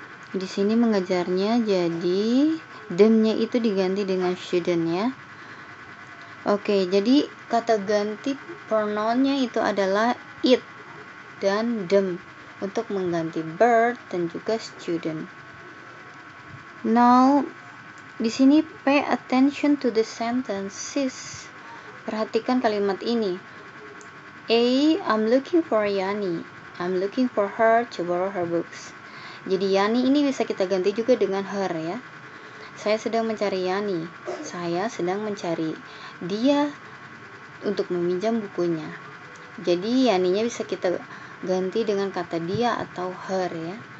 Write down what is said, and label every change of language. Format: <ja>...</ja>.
<id>Di sini mengajarnya jadi them-nya itu diganti dengan shouldn't ya. Oke, jadi kata ganti pronoun-nya itu adalah it dan them untuk mengganti bird dan juga student.</id> <en>Now,</en> <id>di sini</id> <en>pay attention to the sentences.</en> <id>Perhatikan kalimat ini. A,</id> <en>I'm looking for Yani. I'm looking for her to borrow her books.</en> <id>Jadi Yani ini bisa kita ganti juga dengan her ya. Saya sedang mencari Yani. Saya sedang mencari dia untuk meminjam bukunya. Jadi Yani-nya bisa kita ganti dengan kata dia atau her ya.</id>